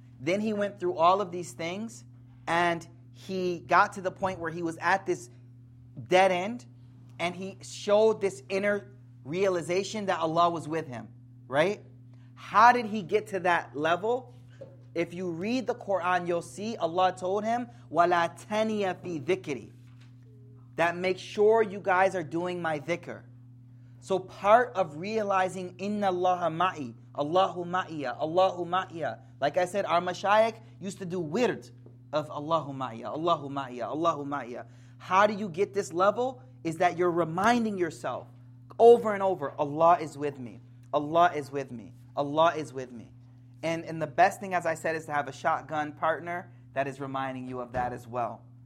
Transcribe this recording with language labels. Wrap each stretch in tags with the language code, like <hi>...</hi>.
<en>Then he went through all of these things, and he got to the point where he was at this dead end, and he showed this inner realization that Allah was with him, right? How did he get to that level? If you read the Quran, you'll see Allah told him,</en> <ar>وَلَا تَنِيَ فِي ذِكْرِي,</ar> <en>that make sure you guys are doing my dhikr. So part of realizing</en> <ar>إِنَّ اللَّهَ مَعِي, اللَّهُ مَعِيَ, اللَّهُ مَعِيَ.</ar> <en>Like I said, our mashayikh used to do wird of</en> <ar>اللَّهُ مَعِيَ, اللَّهُ مَعِيَ, اللَّهُ مَعِيَ.</ar> <en>How do you get this level? Is that you're reminding yourself over and over, Allah is with me, Allah is with me, Allah is with me. And the best thing, as I said, is to have a shotgun partner that is reminding you of that as well.</en>